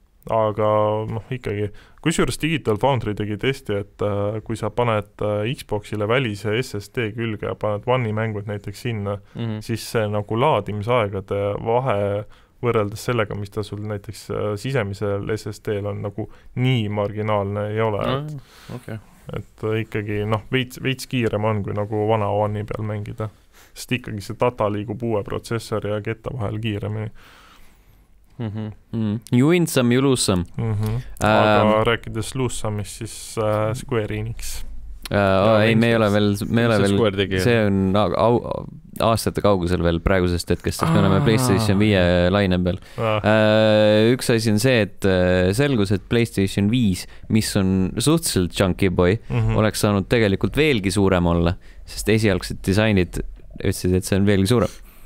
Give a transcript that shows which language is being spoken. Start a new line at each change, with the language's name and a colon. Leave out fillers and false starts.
Estonian: Aga no, ikkagi, kus juures Digital Foundry tegi testi, et kui sa paned Xboxile välise SSD külge ja paned One'i mängud näiteks sinna, siis see nagu laadimisaegade vahe võrreldes sellega, mis ta sul näiteks sisemisel SSD-l on nagu nii marginaalne ei ole. Okei. Et ikkagi noh, veits kiirem on, kui nagu vana One'i peal mängida, sest ikkagi see data liigub uue protsessori ja ketta vahel kiiremini.
English: You win some, you lose some.
Estonian: Aga rääkides lose some'is, siis Square Enix. Ei, me ei ole veel, see on aastate kaugusel veel praegusest hetkest, et me oleme PlayStation 5 laine peal. Üks asi on see, et selgus, et PlayStation 5, mis on suhteliselt
English: chunky boy,
Estonian: oleks saanud tegelikult veelgi suurem olla, sest esialgsed disainid ütlesid, et see on veelgi suurem.